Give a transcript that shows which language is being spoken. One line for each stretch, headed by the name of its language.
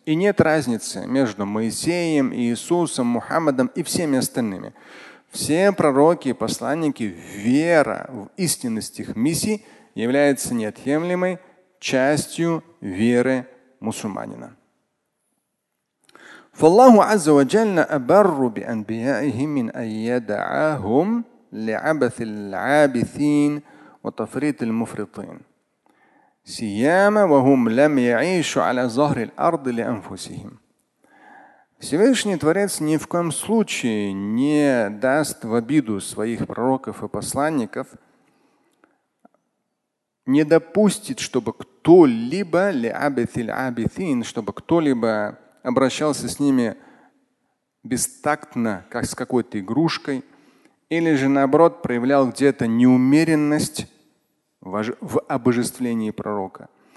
Russian: И нет разницы между Моисеем, Иисусом, Мухаммадом и всеми остальными. Все пророки и посланники, вера в истинность их миссии является неотъемлемой частью веры мусульманина.
Arabic: فَاللَّهُ عَزَّ وَجَلَّ أَبَرُّ بِأَنْبِيَائِهِ مِنْ أَنْ يَدْعَاهُمْ لِعَبَثِ الْعَابِثِينَ وتفريط المفرطين سياما وهم لم يعيشوا على ظهر الارض لانفسهم.
Russian: Всевышний Творец ни в коем случае не даст в обиду своих пророков и посланников, не допустит, чтобы кто-либо
Arabic: لعبث العابثين,
Russian: чтобы кто-либо обращался с ними бестактно, как с какой-то игрушкой, или же наоборот проявлял где-то неумеренность в обожествлении пророка.